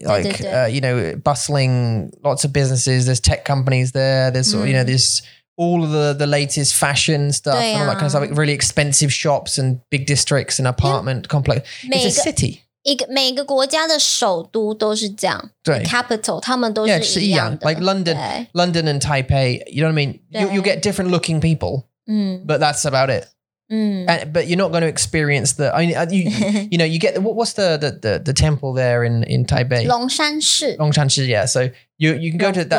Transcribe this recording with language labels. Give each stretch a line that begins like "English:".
English: Like, you know, bustling, lots of businesses, there's tech companies there, there's, you know, there's all of the latest fashion stuff and all that kind of stuff. Like really expensive shops and big districts and apartment complex. It's a city.
Chinese: 每个国家的首都都是这样.
English: Capital,
Chinese: 他们都是一样的。
English: Like London and Taipei, you know what I mean? You'll get different looking people, but that's about it. But you're not going to experience the, I mean, you know, you get, what's the temple there in Taipei?
Chinese: 龙山寺,
English: yeah. So you can go to that.